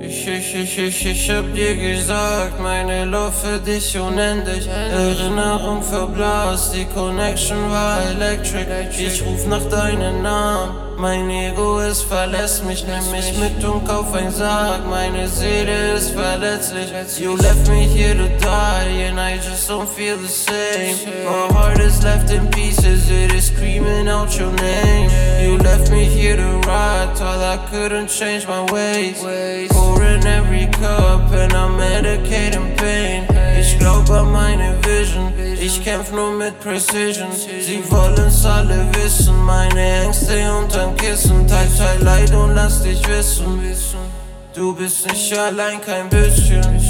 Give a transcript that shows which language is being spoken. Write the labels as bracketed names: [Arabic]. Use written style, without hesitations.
[German] Ich hab dir gesagt, meine Love für dich unendlich. Erinnerung verblasst, die Connection war electric. Ich ruf nach deinem Namen, mein Ego es verlässt mich. Nimm mich mit und kauf ein Sarg, meine Seele ist verletzlich. [English] You left me here to die and I just don't feel the same. My heart is left in pieces, it is screaming out your name. You left me here to rot, thought I couldn't change my ways. Pouring every cup and I'm medicating pain. [German] Ich glaub an meine Vision, ich kämpf nur mit Precision. Sie wollen's alle wissen, meine Ängste unterm Kissen. Teil Leid und lass dich wissen. Du bist nicht allein, kein bisschen.